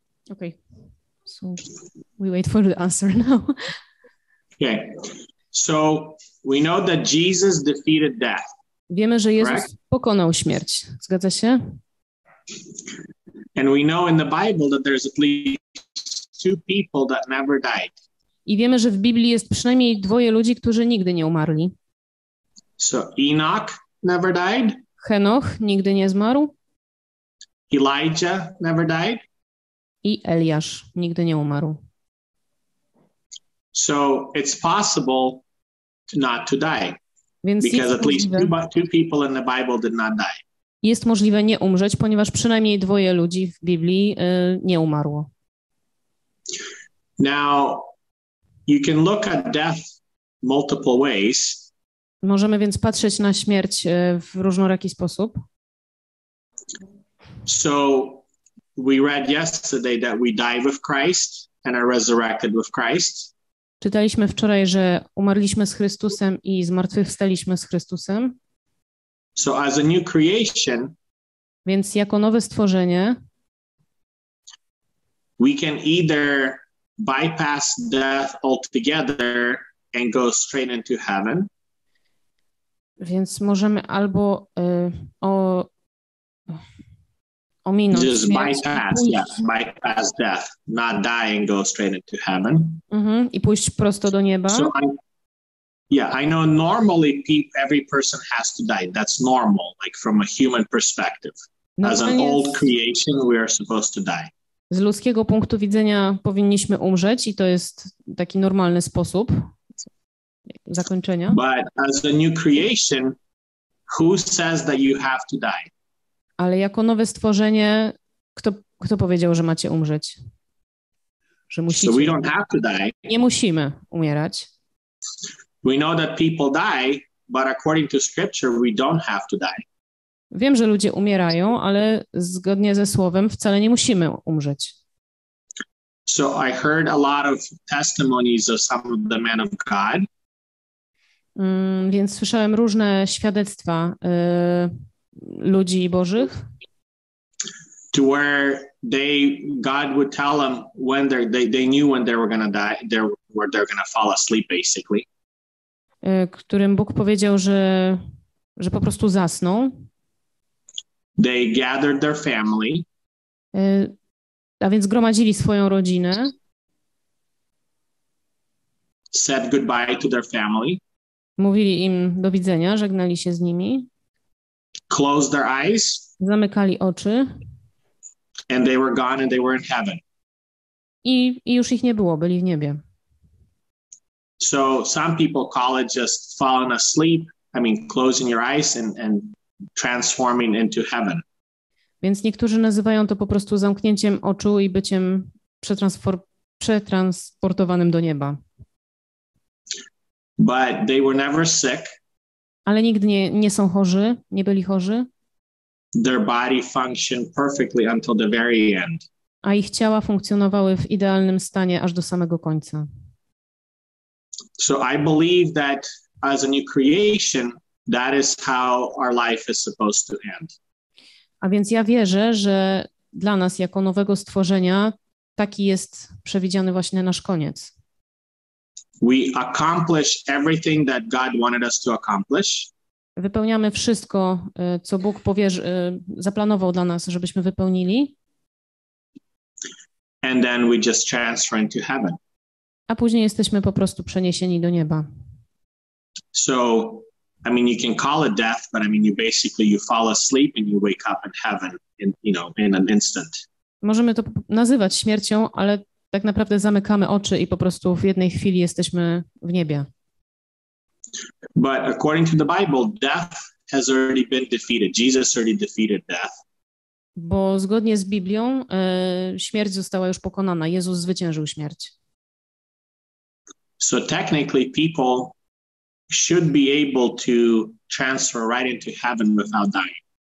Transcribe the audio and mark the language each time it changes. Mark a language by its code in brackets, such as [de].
[en] Okay, so we wait for the answer now. Okay, so we know that Jesus defeated death. [pl] Wiemy, że Jezus pokonał śmierć. Zgadza się? [en] And we know in the Bible that there's at least two people that never died. [pl] I wiemy, że w Biblii jest przynajmniej dwoje ludzi, którzy nigdy nie umarli. [en] So Enoch never died. [pl] Henoch nigdy nie zmarł. [en] Elijah never died. [pl] I Eliasz nigdy nie umarł. [en] So it's possible not to die. [pl] Więc [en] because at least two people in the Bible did not die. [pl] Jest możliwe nie umrzeć, ponieważ przynajmniej dwoje ludzi w Biblii nie umarło. [en] Now you can look at death multiple ways. [pl] Możemy więc patrzeć na śmierć w różnoraki sposób. [en] So we read yesterday that we die with Christ and are resurrected with Christ. [pl] Czytaliśmy wczoraj, że umarliśmy z Chrystusem i zmartwychwstaliśmy z Chrystusem. [en] So as a new creation, [pl] więc jako nowe stworzenie [en] we can either bypass death altogether and go straight into heaven. [pl] Więc możemy albo ominąć [en] just śmierć, bypass, yeah, bypass death, not die and go straight into heaven. [pl] Mm-hmm. I pójść prosto do nieba. [en] So I know normally every person has to die. That's normal, like from a human perspective. No, as an old creation, we are supposed to die. [pl] Z ludzkiego punktu widzenia powinniśmy umrzeć i to jest taki normalny sposób zakończenia. [en] But as a new creation, who says that you have to die? [pl] Ale jako nowe stworzenie, kto powiedział, że macie umrzeć? Że musicie? [en] So we don't have to die. [pl] Nie musimy umierać. [en] We know that people die, but according to scripture, we don't have to die. [pl] Wiem, że ludzie umierają, ale zgodnie ze słowem wcale nie musimy umrzeć. [en] So I heard a lot of testimonies of some of the men of God. [pl] Więc słyszałem różne świadectwa ludzi bożych. [en] To where God would tell them when they knew when they were gonna die, they're gonna fall asleep basically. [pl] Którym Bóg powiedział, że po prostu zasną. [en] They gathered their family. [pl] A więc gromadzili swoją rodzinę. [en] Said goodbye to their family. [pl] Mówili im do widzenia, żegnali się z nimi. [en] Closed their eyes. [pl] Zamykali oczy. [en] And they were gone and they were in heaven. [pl] I już ich nie było, byli w niebie. [en] So some people call it just falling asleep, closing your eyes and transforming into heaven. [pl] Więc niektórzy nazywają to po prostu zamknięciem oczu i byciem przetransportowanym do nieba. [en] But they were never sick. [pl] Ale nigdy nie są chorzy, nie byli chorzy. [en] Their body functioned perfectly until the very end. [pl] A ich ciała funkcjonowały w idealnym stanie aż do samego końca. [en] So I believe that as a new creation, that is how our life is supposed to end. [pl] A więc ja wierzę, że dla nas jako nowego stworzenia taki jest przewidziany właśnie nasz koniec. [en] We accomplish everything that God wanted us to accomplish. [pl] Wypełniamy wszystko, co Bóg zaplanował dla nas, żebyśmy wypełnili. [en] And then we just transfer into heaven. [pl] A później jesteśmy po prostu przeniesieni do nieba. [en] So, I mean, you can call it death, but I mean, you basically, you fall asleep and you wake up in heaven, in, you know, in an instant. [pl] Możemy to nazywać śmiercią, ale tak naprawdę zamykamy oczy i po prostu w jednej chwili jesteśmy w niebie. [en] But according to the Bible, death has already been defeated. Jesus already defeated death. [pl] Bo zgodnie z Biblią, śmierć została już pokonana. Jezus zwyciężył śmierć. [en] So technically people should be able to transfer right into heaven without dying.